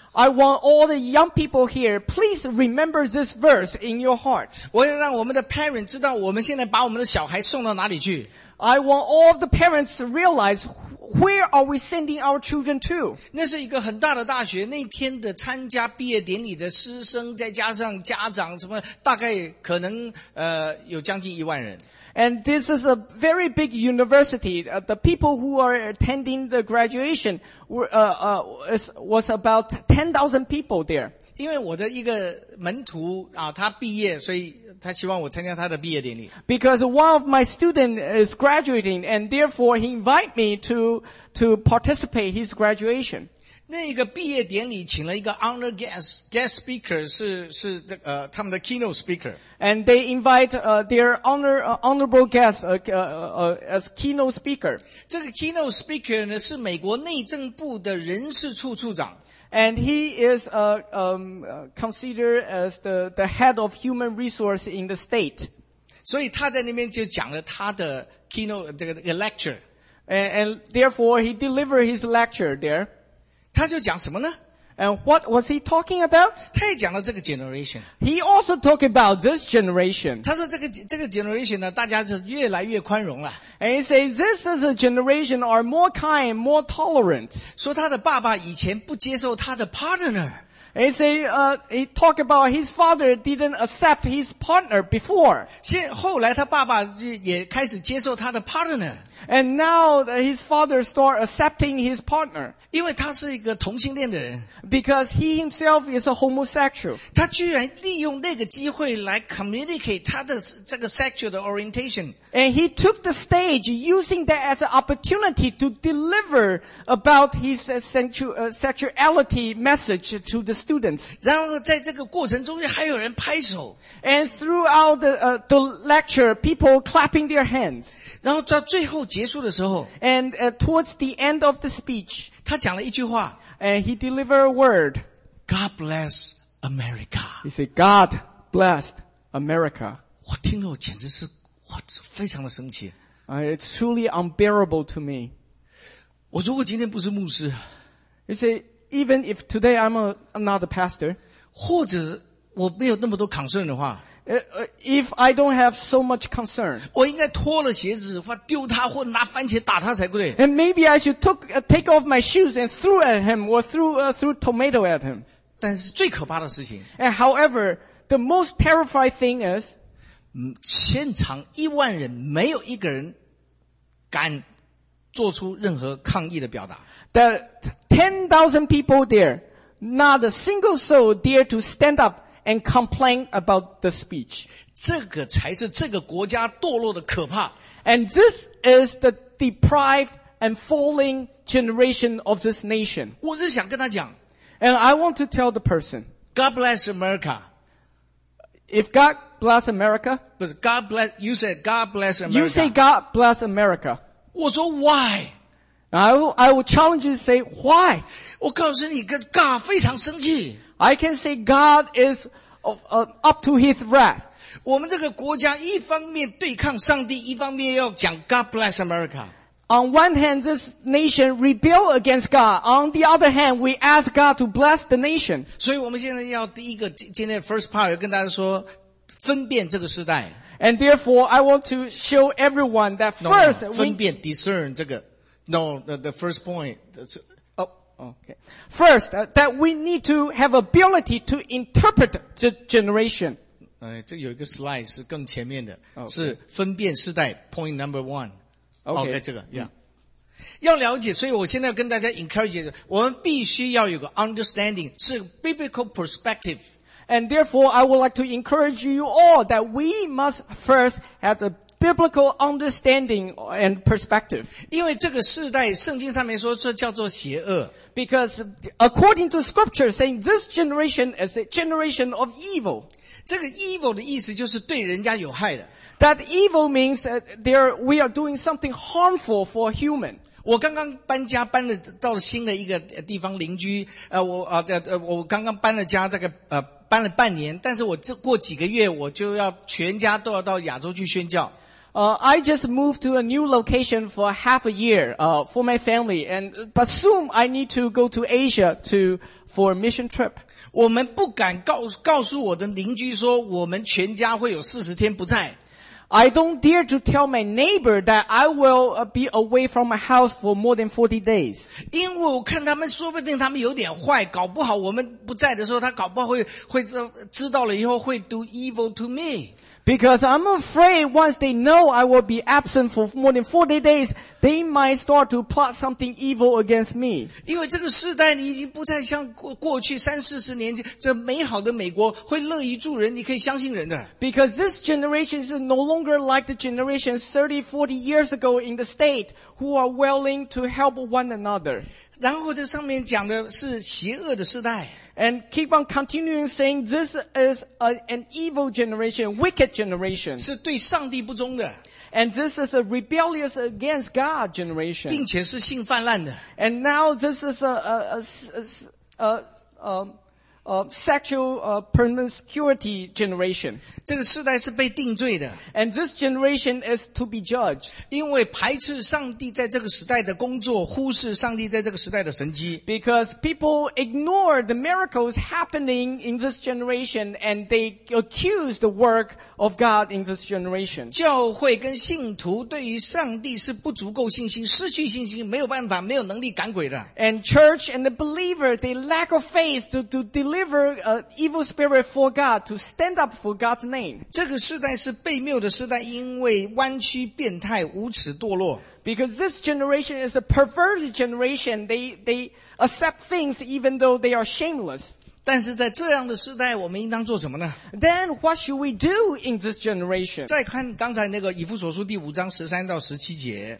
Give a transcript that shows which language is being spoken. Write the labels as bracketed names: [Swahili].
[English] I want all the young people here, please remember this verse in your heart. [Chinese] 我要让我们的 parents 知道我们现在把我们的小孩送到哪里去。 [English] I want all the parents to realize where are we sending our children to. [Chinese] 那是一个很大的大学，那天的参加毕业典礼的师生再加上家长什么，大概可能有将近10,000人。 [English] And this is a very big university. The people who are attending the graduation was about 10,000 people there. [Chinese] 因为我的一个门徒啊，他毕业，所以他希望我参加他的毕业典礼。 [English] Because one of my students is graduating, and therefore he invited me to participate his graduation. [Chinese] 那个毕业典礼请了一个 [English] honor guest speaker [Chinese] 是这个他们的 [English] keynote speaker. And they invite their honorable guest as keynote speaker. [Chinese] 这个 [English] keynote speaker [Chinese] 呢是美国内政部的人事处处长。 [English] And he is considered as the head of human resource in the state. [Chinese] 所以他在那边就讲了他的 keynote 这个 lecture. [English] And therefore he delivered his lecture there. [Chinese] 他就讲什么呢? [English] And what was he talking about? [Chinese] 他也讲了这个 generation. [English] He also talked about this generation. [Chinese] 他说这个 generation 呢，大家是越来越宽容了。 [English] And he said, this is a generation are more kind, more tolerant. [Chinese] 说他的爸爸以前不接受他的 partner. [English] And he said, he talked about his father didn't accept his partner before. [Chinese] 后来他爸爸也开始接受他的 partner. [English] And now his father start accepting his partner. [Chinese] 因为他是一个同性恋的人。 [English] Because he himself is a homosexual. [Chinese] 他居然利用那个机会来 communicate 他的这个 sexual 的 orientation. [English] And he took the stage using that as an opportunity to deliver about his sexuality message to the students. [Chinese] 然后在这个过程中还有人拍手。 [English] And throughout the lecture, people clapping their hands. [Chinese] 然后到最后结束的时候 [English] And towards the end of the speech [Chinese] 他讲了一句话 [English] And he delivered a word God bless America He said God bless America [Chinese] 我听了我简直是我非常的生气 [English] It's truly unbearable to me [Chinese] 我如果今天不是牧师 [English] He said even if today I'm not a pastor [Chinese] 或者我没有那么多concern的话 [English] If I don't have so much concern, [Chinese] 我应该脱了鞋子，或丢他，或拿番茄打他才对。 [English] And maybe I should take off my shoes and throw at him, or threw tomato at him. [Chinese] 但是最可怕的事情。 [English] And however, the most terrifying thing is, [Chinese] 现场10,000人，没有一个人敢做出任何抗议的表达。 [English] The 10,000 people there, not a single soul dare to stand up. And complain about the speech. [Chinese] 这个才是这个国家堕落的可怕。 [English] And this is the deprived and falling generation of this nation. [Chinese] 我是想跟他讲。 [English] And I want to tell the person. God bless America. If God bless America. [Chinese] 不是 [English] God bless, you said God bless America. You say God bless America. [Chinese] 我说 why? [English] I will challenge you to say why. [Chinese] 我告诉你跟 God 非常生气。 [English] I can say God is up to his wrath. [Chinese] 我们这个国家一方面对抗上帝，一方面要讲 [English] God bless America. On one hand, this nation rebel against God. On the other hand, we ask God to bless the nation. [Chinese] 所以我们现在要第一个，今天的 [English] first part [Chinese] 要跟大家说，分辨这个时代。 [English] And therefore, I want to show everyone that first no, [Chinese] 分辨 [English] discern [Chinese] 这个 [English] No, the first point. Okay. First, that we need to have ability to interpret the generation. [Chinese] 这有一个 slide 是更前面的、okay. 是分辨世代 [English] point number one. Okay. Okay, [Chinese] 这个、 [English] yeah. [Chinese] 要了解，所以我现在要跟大家 encourage 我们必须要有个 understanding, 是 [English] biblical perspective. And therefore, I would like to encourage you all that we must first have a biblical understanding and perspective. [Chinese] 因为这个世代圣经上面说这叫做邪恶。 [English] Because according to scripture saying this generation is a generation of evil. [Chinese] 这个 evil 的意思就是对人家有害的。 [English] That evil means that there, we are doing something harmful for human. [Chinese] 我刚刚搬家搬了到了新的一个地方邻居我刚刚搬了家大概搬了半年但是我这过几个月我就要全家都要到亚洲去宣教。 [English] I just moved to a new location for half a year, for my family, but soon I need to go to Asia for a mission trip. [Chinese] 我们不敢告诉我的邻居说我们全家会有40天不在。 [English] I don't dare to tell my neighbor that I will be away from my house for more than 40 days. [Chinese] 因为我看他们说不定他们有点坏搞不好我们不在的时候他搞不好会知道了以后会 [English] do evil to me. Because I'm afraid once they know I will be absent for more than 40 days, they might start to plot something evil against me. [Chinese] 因为这个世代已经不再像过去三四十年前这美好的美国会乐于助人，你可以相信人的。 [English] Because this generation is no longer like the generation 30, 40 years ago in the state who are willing to help one another. [Chinese] 然后这上面讲的是邪恶的世代。 [English] And keep on continuing saying this is an evil generation, wicked generation. [Chinese] 是对上帝不忠的。 [English] And this is a rebellious against God generation. [Chinese] 并且是性泛滥的。 [English] And now this is a sexual promiscuity generation. [Chinese] 这个世代是被定罪的。 [English] And this generation is to be judged. [Chinese] 因为排斥上帝在这个时代的工作，忽视上帝在这个时代的神迹。 [English] Because people ignore the miracles happening in this generation and they accuse the work of God in this generation. [Chinese] 教会跟信徒对于上帝是不足够信心，失去信心，没有办法，没有能力赶鬼的。 [English] And church and the believer, they lack of faith to deliver an evil spirit for God to stand up for God's name. [Chinese] 这个世代是悖谬的世代，因为弯曲、变态、无耻、堕落。 [English] Because this generation is a perverted generation, they accept things even though they are shameless. [Chinese] 但是在这样的世代，我们应当做什么呢？ [English] Then what should we do in this generation? [Chinese] 再看刚才那个以弗所书第五章十三到十七节。